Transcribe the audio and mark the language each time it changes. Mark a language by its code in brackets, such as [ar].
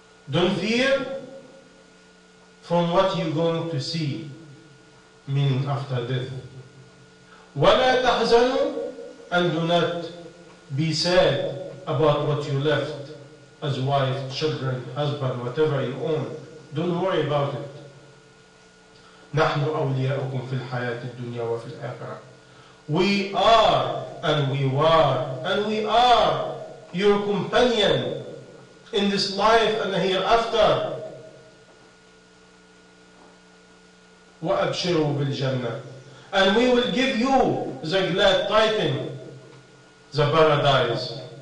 [en] Don't fear from what you're going to see, meaning after death. [ar] وَلَا تَحْزَنُوا [en] and do not be sad about what you left as wife, children, husband, whatever you own. Don't worry about it. [ar] نحن أولياؤكم في الحياة الدنيا وفي الآخرة. [en] We are and we were and we are your companion in this life and hereafter. [ar] وأبشروا بالجنة. [en] And we will give you the glad tidings, the paradise.